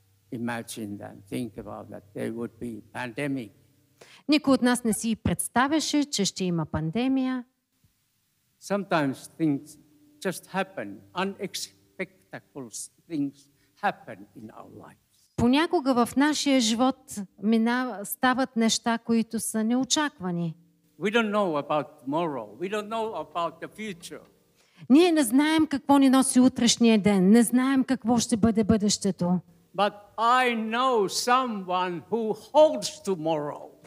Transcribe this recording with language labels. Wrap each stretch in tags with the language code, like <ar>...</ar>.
<en>imagined and think about that there would be pandemic.</en> <bg>Никой от нас не си представяше, че ще има пандемия.</bg> <en>Sometimes things just happen, unexpected things happen in our lives.</en> <bg>Понякога в нашия живот стават неща, които са неочаквани.</bg> <en>We don't know about tomorrow. We don't know about the future.</en> <bg>Ние не знаем какво ни носи утрешния ден. Не знаем какво ще бъде бъдещето.</bg> <en>But I know someone who holds tomorrow.</en>